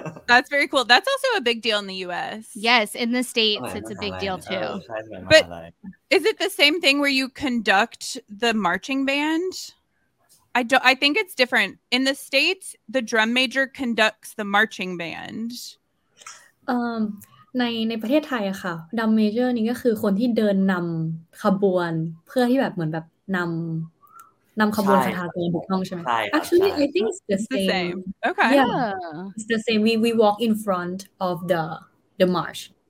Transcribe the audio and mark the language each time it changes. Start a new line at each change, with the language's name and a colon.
English: That's very cool That's also a big deal in the US Yes in the States it's a big deal too But is it the same thing where you conduct the marching band I think it's different In the States the drum major conducts the marching band
Thai: ในประเทศไทยอะค่ะดัมเมเจอร์นี่ก็คือคนที่เดินนำขบวนเพื่อที่แบบเหมือนแบบนำขบวนสถาปนิกถูกต้องใช่ไหม
English: Actually I think it's the same Okay yeah. Yeah it's the same we walk in front of the march